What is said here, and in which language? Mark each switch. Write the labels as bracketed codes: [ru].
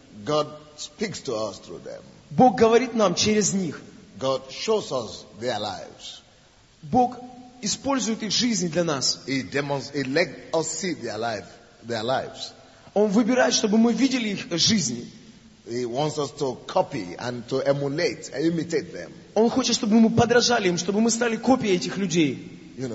[en] God speaks to us through them. [ru] Бог говорит нам через них. [en] God shows us their lives. [ru] Бог использует их жизни для нас. [en] He lets us see their lives. [ru] Он выбирает, чтобы мы видели их жизни. [en] He wants us to copy and to emulate and imitate them. [ru] Он хочет, чтобы мы подражали им, чтобы мы стали копией этих людей.